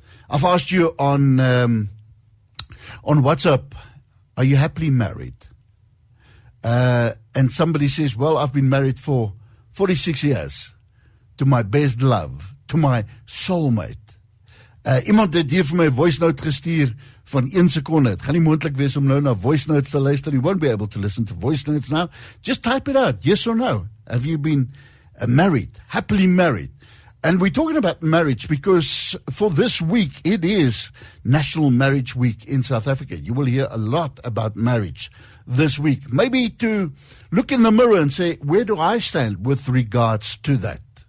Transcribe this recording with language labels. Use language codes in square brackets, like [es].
[en] I've asked you on WhatsApp, are you happily married? And somebody says, well, I've been married for 46 years to my best love, to my soulmate. [af] Iemand het hier vir my voice note gestuur van 1 sekonde. Het gaan nie moontlik wees om nou na voice notes te luister. [en] You won't be able to listen to voice notes now. Just type it out, yes or no. Have you been married, happily married? And we're talking about marriage because for this week, it is National Marriage Week in South Africa. You will hear a lot about marriage this week. Maybe to look in the mirror and say, where do I stand with regards to that?